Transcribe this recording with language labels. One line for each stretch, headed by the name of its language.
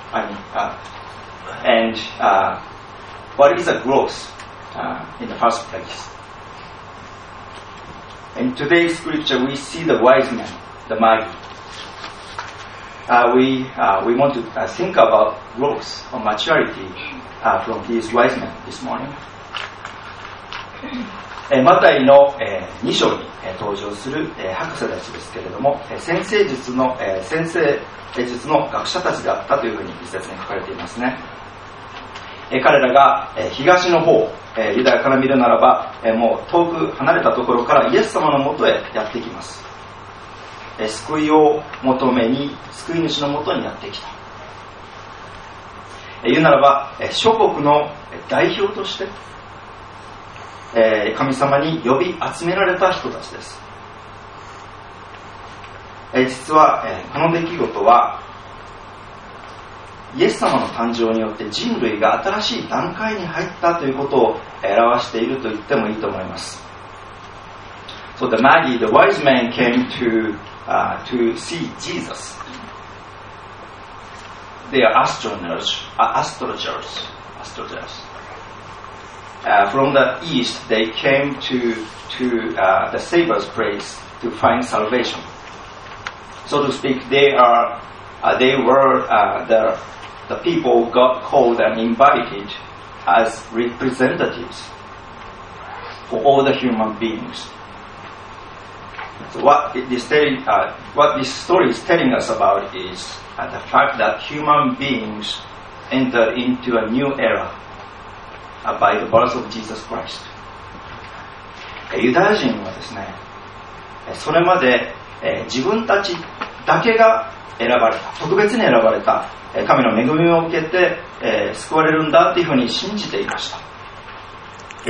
English: I mean, what is the growth in the first place? In today's scripture, we see the wise men, the Magi. We want to think about growth or maturity from these wise men this morning.
Japanese: マタイの2章に登場する博士たちですけれども、先生術の学者たちだったというふうに一説に書かれていますね。彼らが東の方、ユダヤから見るならば、もう遠く離れたところからイエス様のもとへやってきます。救いを求めに救い主のもとにやってきた。言うならば諸国の代表として神様に呼び集められた人たちです。実はこの出来事はイエス様の誕生によって人類が新しい段階に入ったということを表していると言ってもいいと思います。
English: So the Magi, the wise men came to see Jesus. They are astrologers. From the east, they came to the Savior's place to find salvation. So to speak, they were the people God called and invited as representatives for all the human beings. So what this story is telling us about is the fact that human beings enter into a new era. By the birth of Jesus Christ.
Japanese: ユダヤ人はですね、それまで自分たちだけが選ばれた、特別に選ばれた神の恵みを受けて救われるんだというふうに信じていました。